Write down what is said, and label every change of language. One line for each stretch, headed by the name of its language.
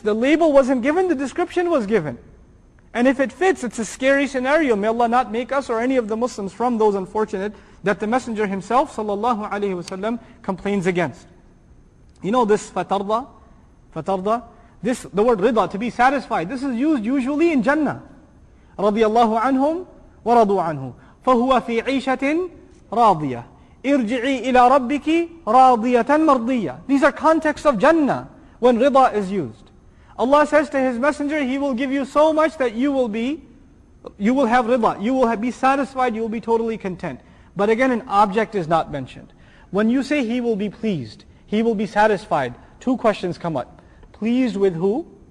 English: The label wasn't given, the description was given. And if it fits, it's a scary scenario. May Allah not make us or any of the Muslims from those unfortunate that the Messenger himself, sallallahu alayhi wa sallam, complains against. You know this fatarda? Fatarda? This, the word rida, to be satisfied. This is used usually in Jannah.
Arabic: رضي الله عنهم ورضوا عنه فهو في عيشة راضية ارجعي إلى ربك راضية مرضية.
English: These are contexts of Jannah when rida is used. Allah says to His Messenger, He will give you so much that you will have rida, you will be satisfied, you will be totally content. But again, an object is not mentioned. When you say He will be pleased, He will be satisfied, two questions come up. Pleased with who?